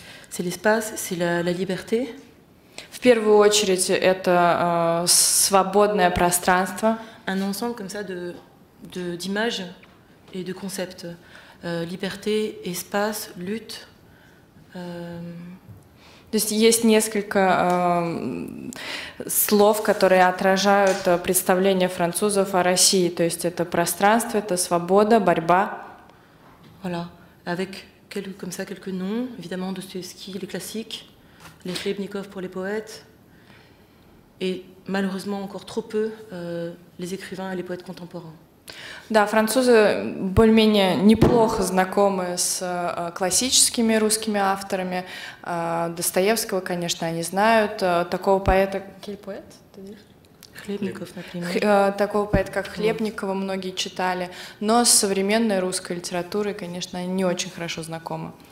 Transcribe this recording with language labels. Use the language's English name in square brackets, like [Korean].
[French] C'est l'espace, c'est la liberté. [Russian] В первую очередь это свободное пространство. [French] Un ensemble comme ça de d'images et de concepts. Liberté, espace, lutte. [Russian] То есть есть несколько слов, которые отражают представление французов о России. То есть это пространство, это свобода, борьба. [French] Voilà. Avec comme ça quelques noms, évidemment Dostoïevski, les classiques, les Chlebnikov pour les poètes, et malheureusement encore trop peu les écrivains et les poètes contemporains. [Russian] Да, французы более-менее неплохо знакомы с классическими русскими авторами. Достоевского, конечно, они знают. Такого поэта... Кельпоэт? Хлебников, например. Такого поэта, как Хлебникова, многие читали. Но с современной русской литературой, конечно, они не очень хорошо знакомы.